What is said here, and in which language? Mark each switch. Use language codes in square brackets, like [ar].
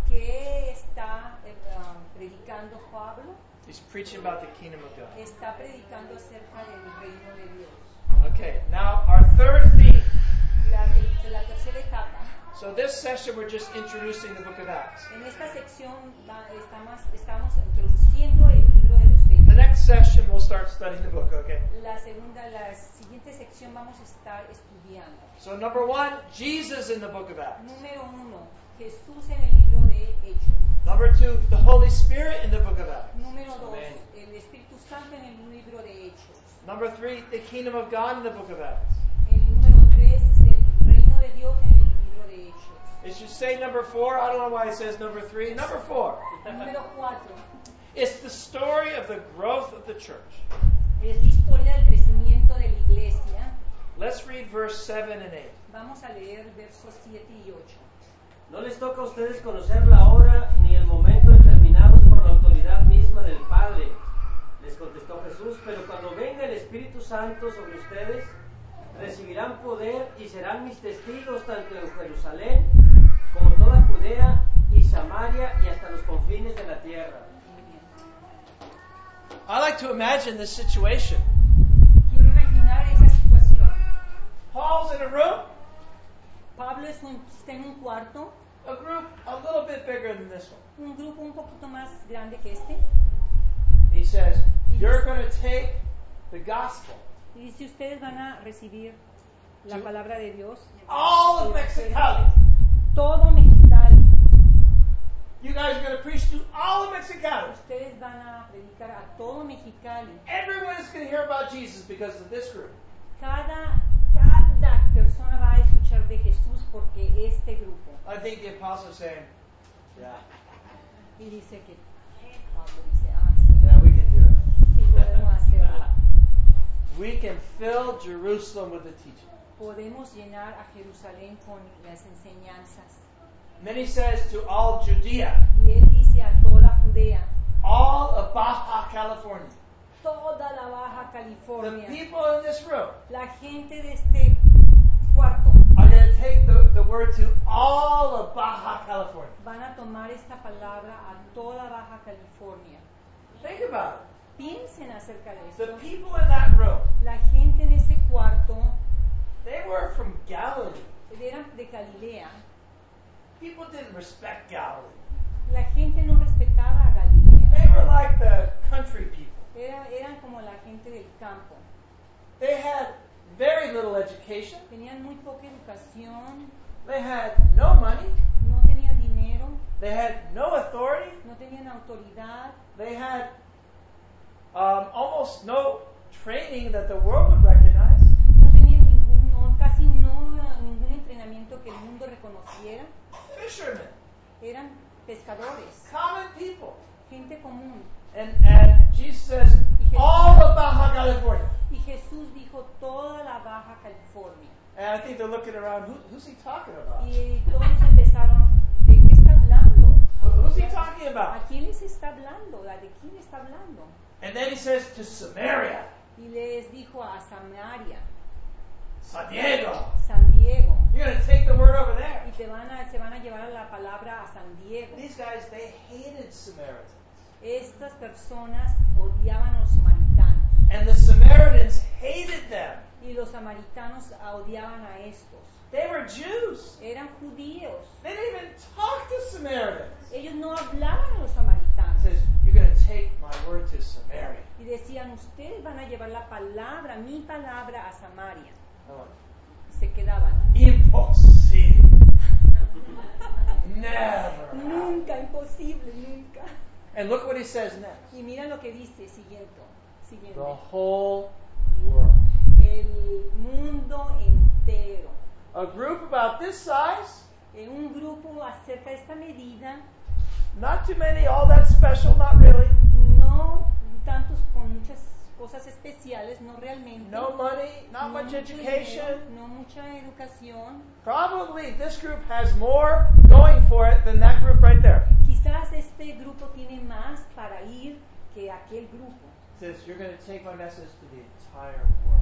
[es] ¿Qué está predicando Pablo? [en] He's preaching about the kingdom of God. [es] Está predicando acerca del reino de Dios. [en] Okay, now our third theme. [es] La tercera etapa. [en] So this session we're just introducing the book of Acts. [es] En esta sección estamos introduciendo el libro de los Hechos. [en] The next session we'll start studying the book, okay? [es] La siguiente sección vamos a estar estudiando. [en] So number one, Jesus in the book of Acts. [es] Número uno, Jesús en el libro de Hechos. [en] Number two, the Holy Spirit in the book of Acts. [es] Número dos, el Espíritu Santo en el libro de Hechos. [en] Number three, the kingdom of God in the book of Acts. [es] El número tres es el reino de Dios en el libro de Hechos. [en] It should say number four. I don't know why it says number three. Number four. [es] Número cuatro. [en] It's the story of the growth of the church. [es] Es la historia del crecimiento de la iglesia. [en] Let's read verse 7 and 8. [es] Vamos a leer versos 7 y 8. No les toca a ustedes conocer la hora ni el momento determinados por la autoridad misma del Padre, les contestó Jesús, pero cuando venga el Espíritu Santo sobre ustedes, recibirán poder y serán mis testigos tanto en Jerusalén como toda Judea y Samaria y hasta los confines de la tierra. [en] I like to imagine this situation. [es] Quiero imaginar esa situación. [en] Paul's in a room. [es] Pablo está en un cuarto. [en] A group a little bit bigger than this one. [es] Un grupo un poquito más grande que este. [en] He says, "You're going to take the gospel." [es] Y dice, ustedes van a recibir la palabra de Dios. [en] All of Mexicali. [es] Todo Mexicali. [en] You guys are going to preach to all of Mexicali. [es] Ustedes van a predicar a todo Mexicali. [en] Everyone is going to hear about Jesus because of this group. [es] Cada persona va a escuchar de Jesús porque este grupo. [en] I think the apostle is saying, yeah. [es] Y dice que Pablo dice, sí. [en] Yeah, we can do it. [es] Sí, podemos hacerlo. [en] We can fill Jerusalem with the teaching. [es] Podemos llenar a Jerusalén con las enseñanzas. [en] Then he says to all Judea. [es] Y él dice a toda Judea. [en] All of Baja California. [es] Toda la Baja California. [en] The people in this room. [es] La gente de este cuarto. [en] Are going to take the word to all of Baja California. [es] Van a tomar esta palabra a toda Baja California. [en] Think about it. [es] Piensen acerca de esto. [en] The people in that room. [es] La gente en ese cuarto. [en] They were from Galilee. [es] Eran de Galilea. [en] People didn't respect Galilee. [es] La gente no respetaba a Galilea. [en] They were like the country people. [es] Eran como la gente del campo. [en] They had very little education. [es] Tenían muy poca educación. [en] They had no money. [es] No tenían dinero. [en] They had no authority. [es] No tenían autoridad. [en] They had almost no training that the world would recognize. [es] No tenían ningún entrenamiento que el mundo reconociera. [en] Fishermen. [es] Eran pescadores. [en] Common people. [es] Gente común. [en] And Jesus says, all of Baja California. [es] Y Jesús dijo, toda la Baja California. [en] And I think they're looking around, who's he talking about? [es] Y todos empezaron, ¿de qué está hablando? [en] Who's he talking about? [es] ¿A quién les está hablando? ¿De quién está hablando? [en] And then he says, to Samaria. [es] Y les dijo a Samaria. [en] San Diego. [es] San Diego. [en] You're going to take the word over there. [es] Y se van a llevar la palabra a San Diego. [en] These guys, they hated Samaritans. [es] Estas personas odiaban a los samaritanos. [en] And the Samaritans hated them. [es] y los samaritanos odiaban a estos. [en] They were Jews. [es] Eran judíos. [en] They didn't even talk to Samaritans. [es] Ellos no hablaban a los samaritanos. [en] Says, you're going to take my word to Samaria. [es] Y decían, ustedes van a llevar la palabra, mi palabra, a Samaria. Oh. Se quedaban. [en] Impossible. Never. [es] Nunca, imposible, nunca. [en] And look what he says next. [es] Y mira lo que dice, siguiente. [en] The whole world. [es] El mundo entero. [en] A group about this size. [es] En un grupo acerca de esta medida. [en] Not too many, all that special, not really. [es] No tantos con muchas cosas especiales, no realmente. [en] No money, not [es] no [en] much education. [es] Dinero, no mucha educación. [en] Probably this group has more going for it than that group right there. [es] Quizás este grupo tiene más para ir que aquel grupo. [en] Says, you're going to take my message to the entire world.